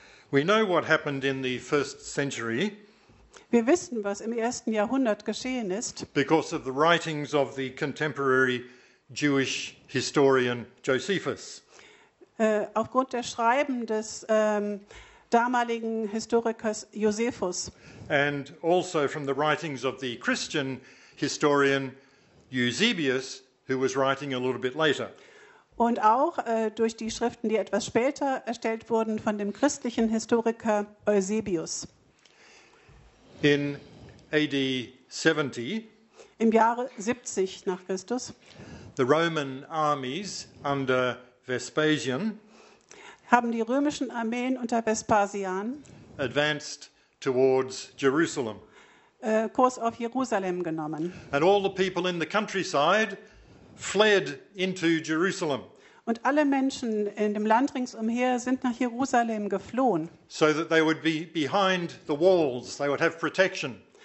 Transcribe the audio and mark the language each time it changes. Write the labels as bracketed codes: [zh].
[en] We know what happened in the first century. [de] Wir wissen, was im ersten Jahrhundert geschehen ist. [en] Because of the writings of the contemporary Jewish historian Josephus. [de] Aufgrund der Schreiben des damaligen Historikers Josephus. [en] And also from the writings of the Christian historian Eusebius, who was writing a little bit later. [de] Und auch durch die Schriften, die etwas später erstellt wurden, von dem christlichen Historiker Eusebius. [en] In AD 70, [de] im Jahre 70 nach Christus, [en] the Roman armies under Vespasian, [de] haben die römischen Armeen unter Vespasian [en] advanced towards Jerusalem, [de] Kurs auf Jerusalem genommen. [en] And all the people in the countryside fled into Jerusalem. [de] Und alle Menschen in dem Land ringsumher sind nach Jerusalem geflohen. [en] So that they would be behind the walls, they would have protection.